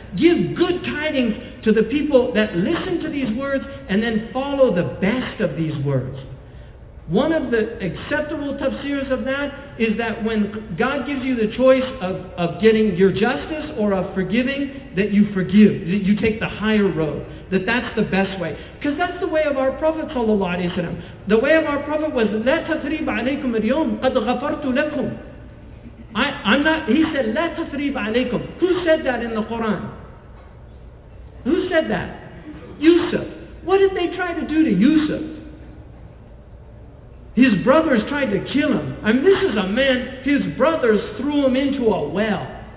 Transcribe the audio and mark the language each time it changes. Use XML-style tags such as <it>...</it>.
<en>Give good tidings to the people that listen to these words and then follow the best of these words. One of the acceptable tafsirs of that is that when God gives you the choice of getting your justice or of forgiving, that you forgive, that you take the higher road, that's the best way. Because that's the way of our Prophet sallallahu alayhi wa sallam. The way of our Prophet was,</en> <ar>لَا تَثْرِيبَ عَلَيْكُمْ الْيَوْمِ قَدْ غَفَرْتُ لَكُمْ.</ar> <en>He said,</en> <ar>لَا تَثْرِيبَ عَلَيْكُمْ.</ar> <en>Who said that in the Quran? Who said that? Yusuf. What did they try to do to Yusuf? His brothers tried to kill him. I mean, this is a man, his brothers threw him into a well.</en>